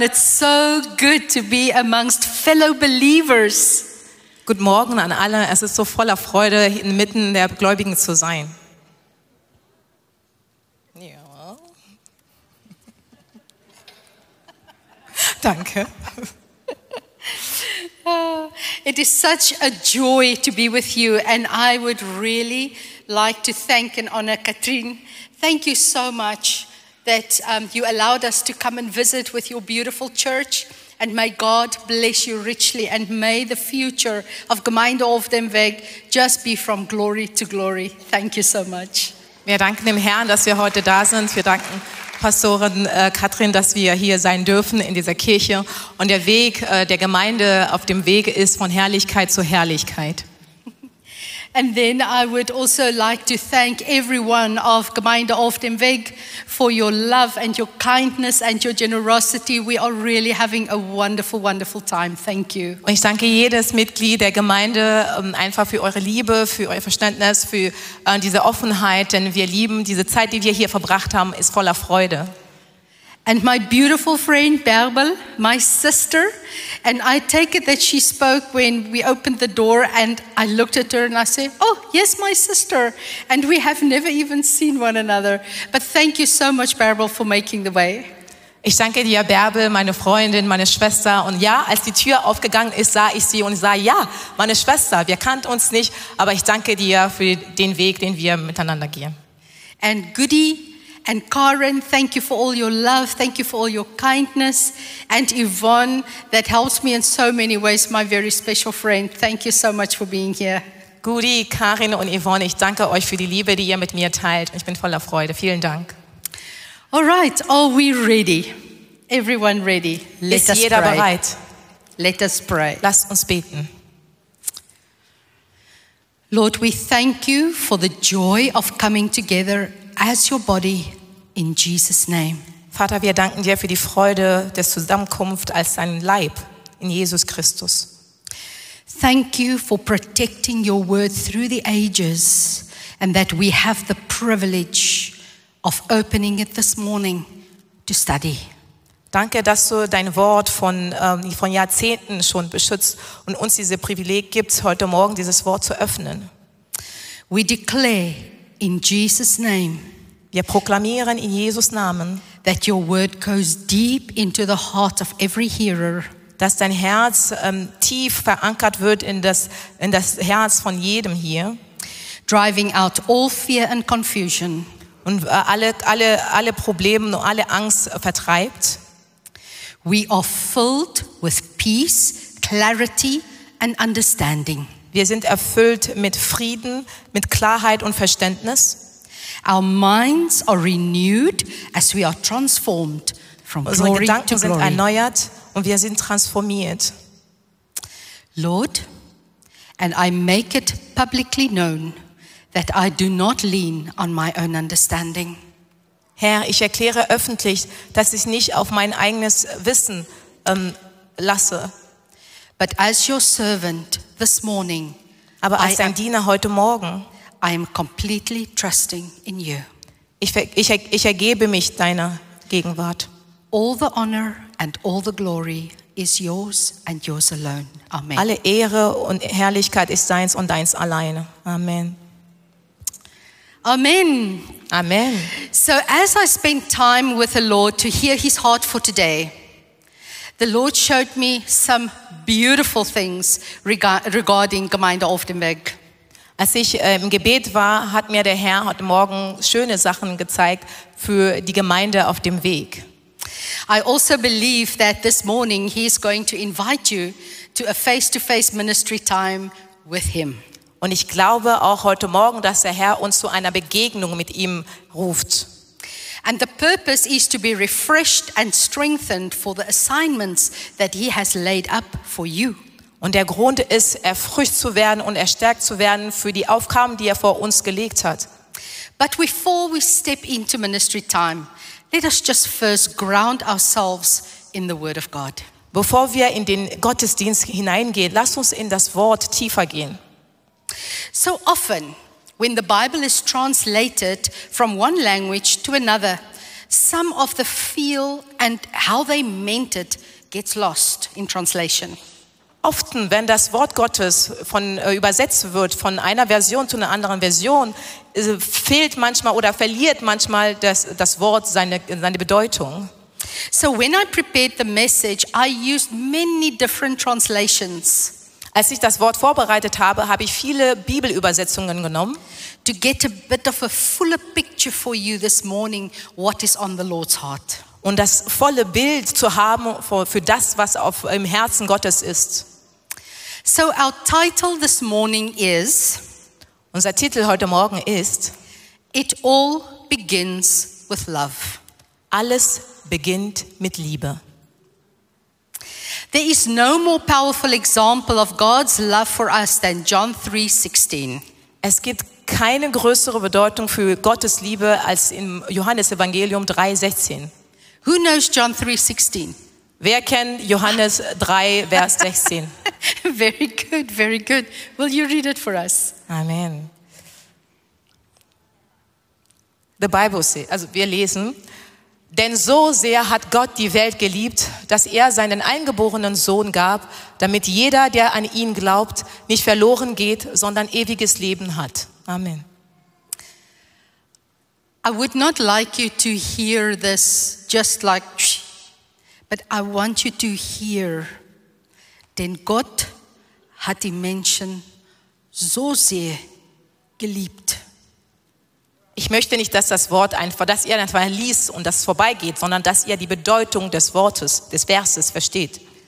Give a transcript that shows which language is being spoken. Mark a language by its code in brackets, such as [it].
[en] It's so good to be amongst fellow believers. [de] Guten Morgen an alle. Es ist so voller Freude, inmitten der Gläubigen zu sein. Ja. Danke. [en] It is such a joy to be with you, and I would really like to thank and honor Katrin. Thank you so much that you allowed us to come and visit with your beautiful church, and may God bless you richly, and may the future of Gemeinde Ofdenweg just be from glory to glory. Thank you so much. [de] Wir danken dem Herrn, dass wir heute da sind. Wir danken Pastorin Katrin, dass wir hier sein dürfen in dieser Kirche, und der Weg der Gemeinde auf dem Weg ist von Herrlichkeit zu Herrlichkeit. [en] And then I would also like to thank everyone of Gemeinde auf dem Weg for your love and your kindness and your generosity. We are really having a wonderful, wonderful time. Thank you. [de] Und ich danke jedes Mitglied der Gemeinde einfach für eure Liebe, für euer Verständnis, für diese Offenheit, denn wir lieben diese Zeit, die wir hier verbracht haben, ist voller Freude. [en] And my beautiful friend Bärbel, my sister, and I take it that she spoke when we opened the door and I looked at her and I said, oh, yes, my sister. And we have never even seen one another. But thank you so much, Bärbel, for making the way. [de] Ich danke dir, Bärbel, meine Freundin, meine Schwester. Und ja, als die Tür aufgegangen ist, sah ich sie und sah, ja, meine Schwester, wir kannten uns nicht, aber ich danke dir für den Weg, den wir miteinander gehen. [en] And goodie. And Karen, thank you for all your love, thank you for all your kindness. And Yvonne, that helps me in so many ways, my very special friend. Thank you so much for being here. [de] Guti, Karin und Yvonne, ich danke euch für die Liebe, die ihr mit mir teilt. Ich bin voller Freude. Vielen Dank. [en] All right, are we ready? Everyone ready? Let us pray. [de] Ist jeder bereit? [en] Let us pray. [de] Lasst uns beten. [en] Lord, we thank you for the joy of coming together as your body in Jesus' name. [de] Vater, wir danken dir für die Freude der Zusammenkunft als dein Leib in Jesus Christus. [en] Thank you for protecting your word through the ages, and that we have the privilege of opening it this morning to study. [de] Danke, dass du dein Wort von Jahrzehnten schon beschützt und uns dieses Privileg gibst, heute Morgen dieses Wort zu öffnen. [en] We declare in Jesus' name. [de] Wir proklamieren in Jesus Namen, [en] that your word goes deep into the heart of every hearer, [de] dass dein Herz tief verankert wird in das Herz von jedem hier, [en] driving out all fear and confusion, [de] und alle Probleme und alle Angst vertreibt. [en] We are filled with peace, clarity and understanding. [de] Wir sind erfüllt mit Frieden, mit Klarheit und Verständnis. [en] Our minds are renewed as we are transformed from glory to glory. [de] Unsere Gedanken sind erneuert und wir sind transformiert. [en] Lord, and I make it publicly known that I do not lean on my own understanding. [de] Herr, ich erkläre öffentlich, dass ich nicht auf mein eigenes Wissen lasse. [en] But as your servant this morning, [de] aber als dein Diener heute Morgen, [en] I am completely trusting in you. [de] Ich ergebe mich deiner Gegenwart. [en] All the honor and all the glory is yours and yours alone. Amen. [de] Alle Ehre und Herrlichkeit ist deins und deins alleine. Amen. Amen. Amen. [en] So as I spent time with the Lord to hear his heart for today, the Lord showed me some beautiful things regarding Gemeinde Ofdenweg. [de] Als ich im Gebet war, hat mir der Herr heute Morgen schöne Sachen gezeigt für die Gemeinde auf dem Weg. [en] I also believe that this morning he is going to invite you to a face-to-face ministry time with him. [de] Und ich glaube auch heute Morgen, dass der Herr uns zu einer Begegnung mit ihm ruft. [en] And the purpose is to be refreshed and strengthened for the assignments that he has laid up for you. [de] Und der Grund ist, erfrischt zu werden und erstärkt zu werden für die Aufgaben, die er vor uns gelegt hat. [en] But before we step into ministry time, let us just first ground ourselves in the word of God. [de] Bevor wir in den Gottesdienst hineingehen, lass uns in das Wort tiefer gehen. [en] So often, when the Bible is translated from one language to another, some of the feel and how they meant it gets lost in translation. [de] Often, wenn das Wort Gottes von übersetzt wird von einer Version zu einer anderen Version, fehlt manchmal oder verliert manchmal das Wort seine Bedeutung. [en] So when I prepared the message, I used many different translations. [de] Als ich das Wort vorbereitet habe, habe ich viele Bibelübersetzungen genommen. [en] To get a bit of a fuller picture for you this morning, what is on the Lord's heart. [de] Und das volle Bild zu haben für das, was im Herzen Gottes ist. [en] So our title this morning is, [de] unser Titel heute Morgen ist, [en] It all begins with love. [de] Alles beginnt mit Liebe. [en] There is no more powerful example of God's love for us than John 3:16. [de] Es gibt keine größere Bedeutung für Gottes Liebe als im Johannesevangelium 3:16. [en] Who knows John 3:16? [de] Wer kennt Johannes 3, Vers 16? [en] Very good, very good. Will you read it for us? Amen. The Bible says, [de] also wir lesen, denn so sehr hat Gott die Welt geliebt, dass er seinen eingeborenen Sohn gab, damit jeder, der an ihn glaubt, nicht verloren geht, sondern ewiges Leben hat. Amen. [en] I would not like you to hear this just like, but I want you to hear, [de] denn Gott hat die Menschen so sehr geliebt. Ich möchte nicht, dass das Wort einfach, dass ihr einfach liest und das vorbeigeht, sondern dass ihr die Bedeutung des Wortes, des Verses versteht.